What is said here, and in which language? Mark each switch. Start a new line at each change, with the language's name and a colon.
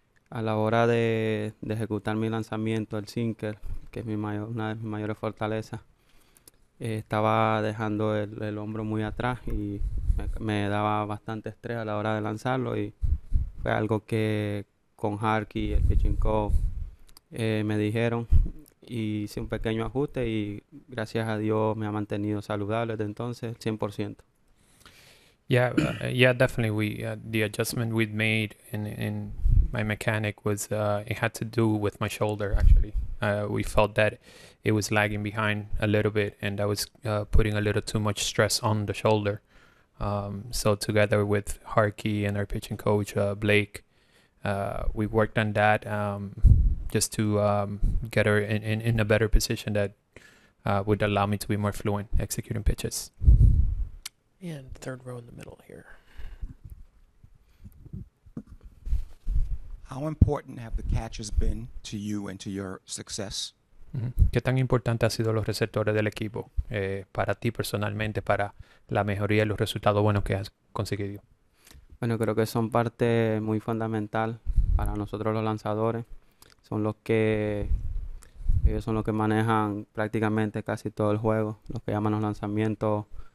Spanish: A la hora de ejecutar mi lanzamiento, el sinker, que es una de mis mayores fortalezas, estaba dejando el hombro muy atrás y me daba bastante estrés a la hora de lanzarlo. Y fue algo que con Harky, el pitching coach, me dijeron. Y hice un pequeño ajuste y gracias a Dios me ha mantenido saludable desde entonces, 100%.
English: Yeah, definitely. The adjustment we'd made in my mechanic was it had to do with my shoulder. Actually, we felt that it was lagging behind a little bit, and I was putting a little too much stress on the shoulder. So together with Harky and our pitching coach Blake, we worked on that just to get her in a better position that would allow me to be more fluent executing pitches. And third row in the middle here. How important have the catches been to you and to your success?
Spanish: ¿Qué tan importante ha sido los receptores del equipo para ti personalmente, para la mejoría y los resultados buenos que has conseguido? Bueno, creo que son parte muy fundamental para nosotros los lanzadores. Ellos son los que manejan prácticamente casi todo el juego, los que llaman los lanzamientos.